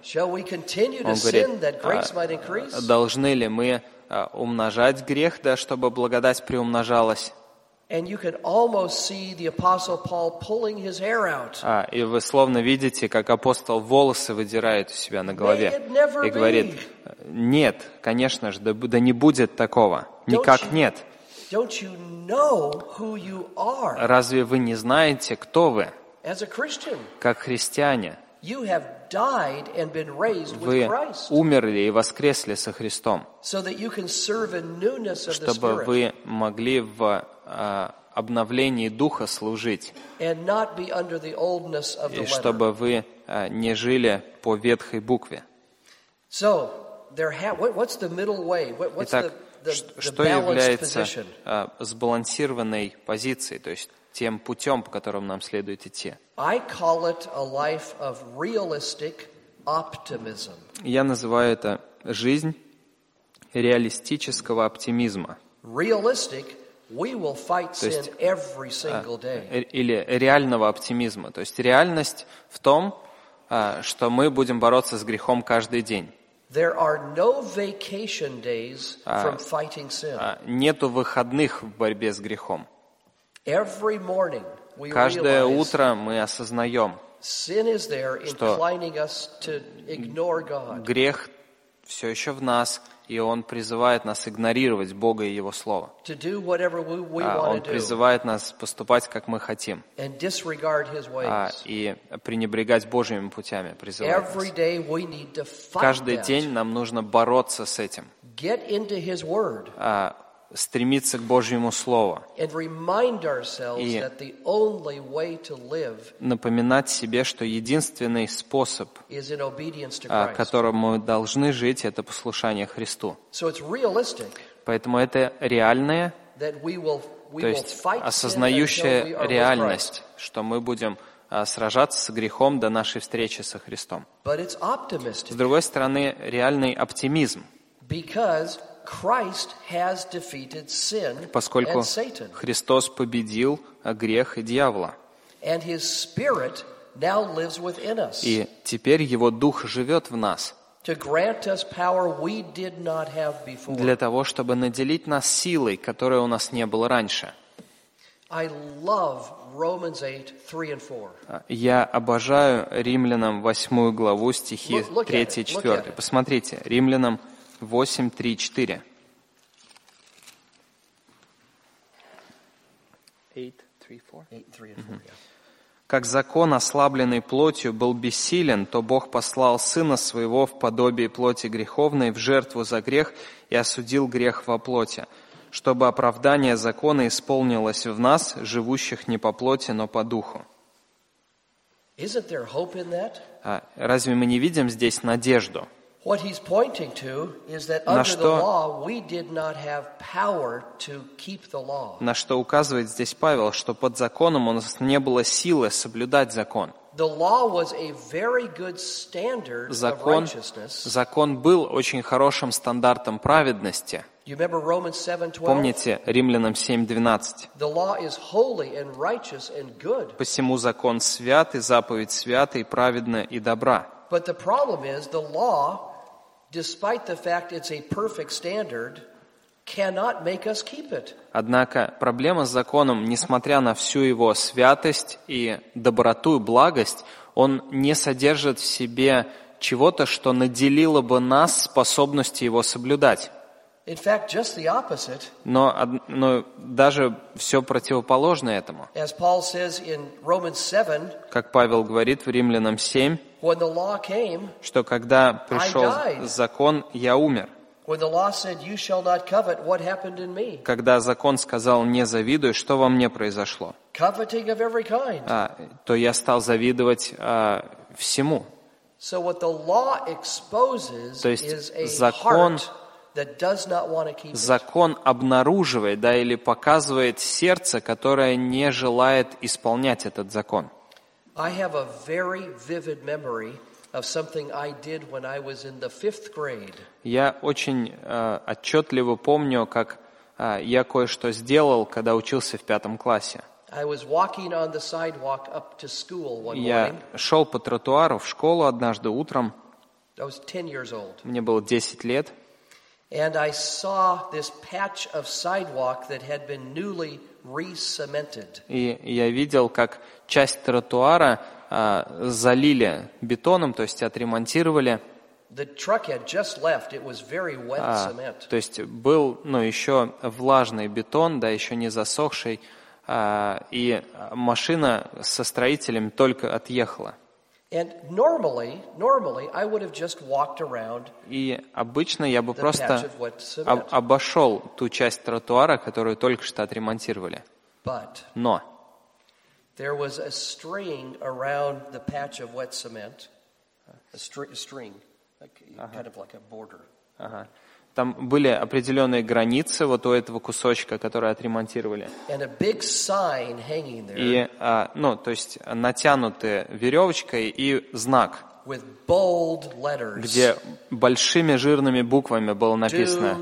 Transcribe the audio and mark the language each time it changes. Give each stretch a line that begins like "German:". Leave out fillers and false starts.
English: Shall we continue to sin that grace might increase?
Russian: Должны ли мы умножать грех, да, чтобы благодать приумножалась?
English: And you can almost see the apostle Paul pulling his hair out.
Russian: И вы словно видите, как апостол волосы выдирает у себя на голове и говорит: "Нет, конечно же, да не будет такого. Никак нет."
English: Don't you know who you are?
Russian: Разве вы не знаете, кто вы?
English: As a Christian,
Russian: как христиане,
English: you have died and been raised
Russian: вы
English: with Christ,
Russian: умерли и воскресли со Христом,
English: so that you can serve in newness of
Russian: чтобы
English: the Spirit,
Russian: вы могли в обновлении Духа служить,
English: and not be under the oldness of the letter,
Russian: и чтобы вы не жили по ветхой букве.
English: So, there what's the middle way? What's
Russian: Итак,
English: the...
Russian: Что является сбалансированной позицией, то есть тем путем, по которому нам следует идти?
English: I call it a life of realistic optimism.
Russian: Я называю это жизнь реалистического оптимизма.
English: Realistic, we will fight sin every single day.
Russian: Или реального оптимизма, то есть реальность в том, что мы будем бороться с грехом каждый день.
English: There are no vacation days from fighting sin.
Russian: Нету выходных в борьбе с грехом.
English: Every morning we realize.
Russian: Каждое утро мы осознаем,
English: sin is there, inclining us to ignore God.
Russian: Грех все еще в нас, и он призывает нас игнорировать Бога и Его Слово.
English: To do whatever we want to do.
Russian: Он призывает нас поступать, как мы хотим.
English: And disregard His ways.
Russian: И пренебрегать Божьими путями призывает
English: Every
Russian: нас.
English: Day we need to fight
Russian: Каждый
English: that.
Russian: День нам нужно бороться с этим.
English: Get into His Word.
Russian: Стремиться к Божьему Слову.
English: And remind ourselves
Russian: и
English: that the only way to live
Russian: напоминать себе, что единственный способ,
English: is in obedience to Christ.
Russian: Которым мы должны жить, это послушание Христу.
English: So it's realistic,
Russian: поэтому это реальное,
English: that we
Russian: то есть осознающая реальность, что мы будем сражаться с грехом до нашей встречи со Христом.
English: But it's optimistic.
Russian: С другой стороны, реальный оптимизм.
English: Because Christ has defeated sin
Russian: Поскольку
English: and Satan.
Russian: Христос победил грех и дьявола.
English: And His Spirit now lives within us.
Russian: И теперь Его Дух живет в нас.
English: To grant us power we did not have before.
Russian: Для того, чтобы наделить нас силой, которой у нас не было раньше.
English: I love Romans 8, 3 and 4.
Russian: Я обожаю Римлянам 8 главу, стихи 3 и 4. Посмотрите, Римлянам 8, 3, 4. 8, 3, 4. Как закон, ослабленный плотью, был бессилен, то Бог послал Сына Своего в подобие плоти греховной в жертву за грех и осудил грех во плоти, чтобы оправдание закона исполнилось в нас, живущих не по плоти, но по духу.
English: Isn't there hope in that?
Russian: Разве мы не видим здесь надежду?
English: What he's pointing to is that under the law we did not have power to keep the law.
Russian: На что указывает здесь Павел, что под законом у нас не было силы соблюдать закон.
English: The law was a very good standard
Russian: закон,
English: of righteousness.
Russian: Закон был очень хорошим стандартом праведности.
English: You remember Romans 7:12?
Russian: Помните Римлянам 7:12?
English: The law is holy and righteous and good.
Russian: Посему закон свят и заповедь свята и праведна и добра.
English: But the problem is the law, despite the fact it's a perfect standard, cannot make us keep it.
Russian: Однако проблема с законом, несмотря на всю его святость и доброту и благость, он не содержит в себе чего-то, что наделило бы нас способностью его соблюдать.
English: In fact, just the opposite.
Russian: Но даже все противоположно этому.
English: As Paul says in Romans 7,
Russian: как Павел говорит в Римлянам 7,
English: When the law came,
Russian: что когда пришел закон, я умер.
English: When the law said, "You shall not covet," what happened in me?
Russian: Когда закон сказал, не завидуй, что во мне произошло?
English: Coveting of every kind.
Russian: То я стал завидовать всему.
English: So what the law exposes is a heart that does not want to keep it.
Russian: Закон обнаруживает, да, или показывает сердце, которое не желает исполнять этот закон.
English: I have a very vivid memory of something I did when I was in the fifth grade.
Russian: Я очень отчетливо помню, как я кое-что сделал, когда учился в пятом классе.
English: I was walking on the sidewalk up to school one morning.
Russian: Я шел по тротуару в школу однажды утром.
English: I was 10 years old.
Russian: Мне было 10 лет.
English: And I saw this patch of sidewalk that had been newly re-cemented.
Russian: И я видел, как часть тротуара залили бетоном, то есть отремонтировали.
English: The truck had just left. It was very wet cement.
Russian: То есть был, ну, еще влажный бетон, да, еще не засохший, и машина со строителем только отъехала.
English: And normally, I would have just walked around.
Russian: И обычно я бы просто обошел ту часть тротуара, которую только что отремонтировали.
English: But
Russian: но
English: there was a string around the patch of wet cement. A string, like, kind of like a border.
Russian: Там были определенные границы вот у этого кусочка, который отремонтировали.
English: And a big sign hanging there.
Russian: И, ну, то есть, натянутые веревочкой и знак,
English: with bold letters,
Russian: где большими жирными буквами было написано: